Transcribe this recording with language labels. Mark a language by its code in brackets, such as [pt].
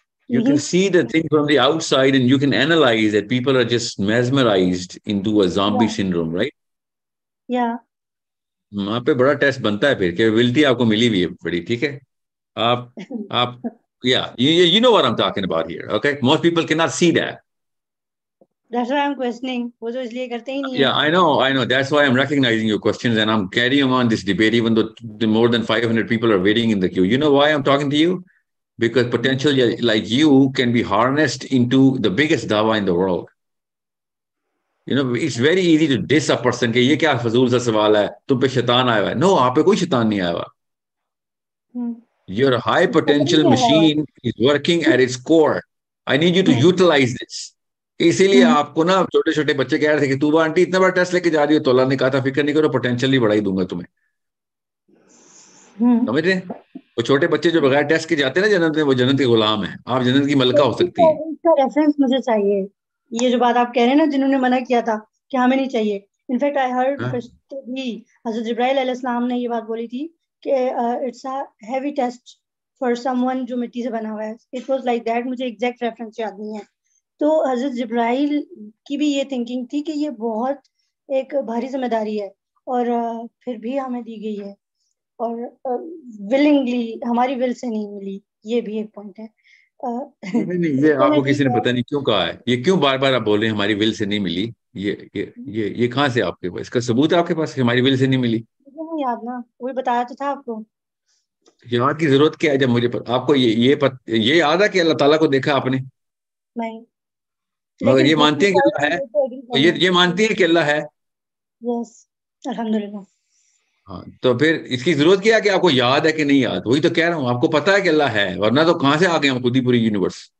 [en] You can see the thing from the outside and you can analyze that people are just mesmerized into a zombie syndrome, right? یا [ur] وہاں پہ بڑا test بنتا ہے پھر, capability آپ کو ملی ہوئی ہے بڑی, ٹھیک ہے. [en] آپ یا you know what I am talking about here, okay, most people can not see that. That's why I'm questioning. [ur] وہ جو اس لیے کرتے ہی نہیں. [en] Yeah, I know. That's why I'm recognizing your questions and I'm carrying on this debate even though more than 500 people are waiting in the queue. You know why I'm talking to you? Because potential like you can be harnessed into the biggest dawah in the world. You know, it's very easy to diss a person. [ur] کہ یہ کیا فضول سا سوال ہے, تم پہ شیطان آیا ہوا ہے. No, آپ پہ کوئی شیطان نہیں آیا ہوا. [en] Your high potential machine is working at its core. I need you to utilize this. [ur] اسی لیے آپ کو نا چھوٹے چھوٹے بچے کہہ رہے تھے کہ تو وہ آنٹی اتنا بڑا ٹیسٹ لے کے جا رہی ہے, تو اللہ نے کہا تھا فکر نہیں کرو پوٹینشیل بڑھا ہی دوں گا تمہیں, سمجھ رہے ہیں؟ وہ چھوٹے بچے جو بغیر ٹیسٹ کے جاتے ہیں نا جنت میں, وہ جنت کے غلام ہیں, آپ جنت کی ملکہ ہو سکتی ہیں. اس کا ریفرنس مجھے چاہیے, یہ جو بات آپ کہہ رہے ہیں نا جنہوں نے منع کیا تھا کہ ہمیں نہیں چاہیے. [en] in fact I heard [ur] حضرت جبرائیل علیہ السلام نے یہ بات بولی تھی کہ [en] it's a heavy test for someone [ur] جو مٹی سے بنا ہوا ہے, [en] it was like that, [ur] مجھے ایگزیکٹ ریفرنس یاد نہیں ہے. تو حضرت جبرائیل کی بھی یہ تھنکنگ تھی کہ یہ بہت ایک بھاری ذمہ داری ہے اور پھر بھی ہمیں دی گئی ہے اور ولنگلی ہماری ول سے نہیں ملی, یہ بھی ایک پوائنٹ ہے. نہیں یہ آپ کو کسی نے پتہ نہیں کیوں کہا ہے, یہ کیوں بار بار آپ بول رہے ہیں ہماری ول سے نہیں ملی, یہ کہاں سے آپ کے پاس اس کا ثبوت ہے آپ کے پاس ہماری ول سے نہیں ملی؟ یاد نا, وہ بتایا تو تھا آپ کو. یاد کی ضرورت کیا ہے جب مجھے آپ کو یہ یاد ہے کہ اللہ تعالیٰ کو دیکھا آپ نے؟ نہیں, مگر یہ مانتی ہیں کہ اللہ ہے, یہ مانتی ہیں کہ اللہ ہے؟ یس الحمدللہ. تو پھر اس کی ضرورت کیا کہ آپ کو یاد ہے کہ نہیں یاد؟ وہی تو کہہ رہا ہوں, آپ کو پتا ہے کہ اللہ ہے, ورنہ تو کہاں سے آ گئے ہم خود ہی پوری یونیورس.